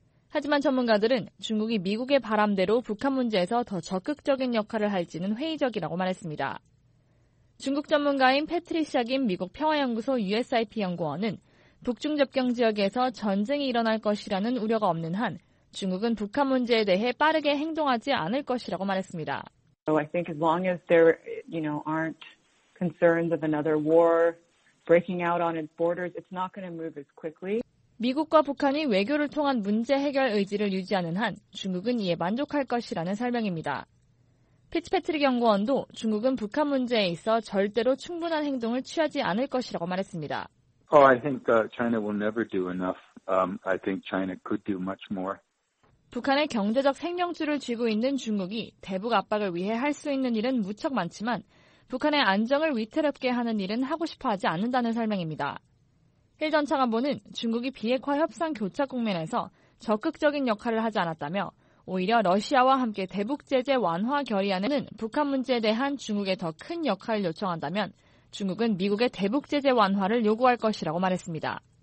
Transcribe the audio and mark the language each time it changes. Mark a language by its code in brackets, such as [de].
[ko] 하지만 전문가들은 중국이 미국의 바람대로 북한 문제에서 더 적극적인 역할을 할지는 회의적이라고 말했습니다. 중국 전문가인 패트리시아 김 미국 평화연구소 USIP 연구원은 북중 접경 지역에서 전쟁이 일어날 것이라는 우려가 없는 한 중국은 북한 문제에 대해 빠르게 행동하지 않을 것이라고 말했습니다. [en] So I think as long as there, you know, aren't concerns of another war breaking out on its borders, it's not going to move as quickly. [ko] 미국과 북한이 외교를 통한 문제 해결 의지를 유지하는 한 중국은 이에 만족할 것이라는 설명입니다. 피츠패트릭 연구원도 중국은 북한 문제에 있어 절대로 충분한 행동을 취하지 않을 것이라고 말했습니다. [en] Oh, I think China will never do enough. I think China could do much more. [ko] 북한의 경제적 생명줄을 쥐고 있는 중국이 대북 압박을 위해 할 수 있는 일은 무척 많지만 북한의 안정을 위태롭게 하는 일은 하고 싶어 하지 않는다는 설명입니다. 힐 전 차관보는 중국이 비핵화 협상 교착 국면에서 적극적인 역할을 하지 않았다며 오히려 러시아와 함께 대북 제재 완화 결의안에는 북한 문제에 대한 중국의 더 큰 역할을 요청한다면 중국은 미국의 대북 제재 완화를 요구할 것이라고 말했습니다.